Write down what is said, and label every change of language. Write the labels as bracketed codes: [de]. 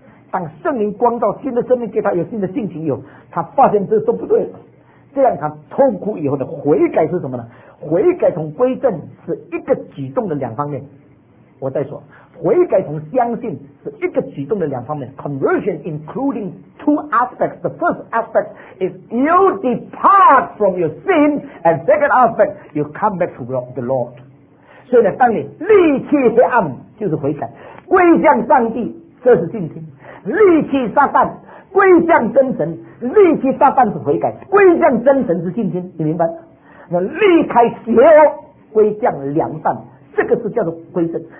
[zh] 当圣灵光照新的生命给他，有新的性情以后，他发现这都不对了。这样他痛苦以后的悔改是什么呢？悔改同归正是一个举动的两方面。我再说，悔改同相信是一个举动的两方面。 [en] Conversion including two aspects. The first aspect is you depart from your sin, and second aspect you come back to the Lord. [zh] 所以呢，当你离弃黑暗就是悔改，归向上帝这是信心，离弃撒旦归向真神。离弃撒旦是悔改，归向真神是信心，你明白？那离开邪恶，归向良善，这个是叫做归正。